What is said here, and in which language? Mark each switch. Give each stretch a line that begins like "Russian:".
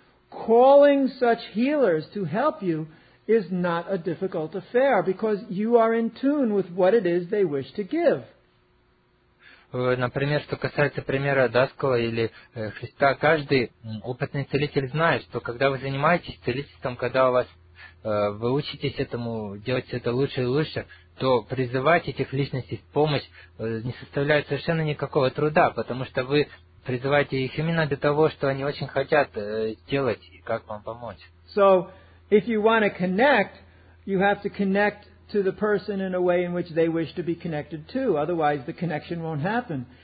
English: calling such healers to help you is not a difficult affair because you are in tune with what it is they wish to give.
Russian: Например, что касается примера Даскала или Христа, каждый опытный целитель знает, что когда вы занимаетесь целительством, когда у вас вы учитесь этому, делать это лучше и лучше, то призывать этих личностей в помощь не составляет совершенно никакого труда, потому что вы призываете их именно для того, что они очень хотят делать и как вам помочь.
English: So, if you want to connect, you have to connect to the person in a way in which they wish to be connected to, otherwise the connection won't happen.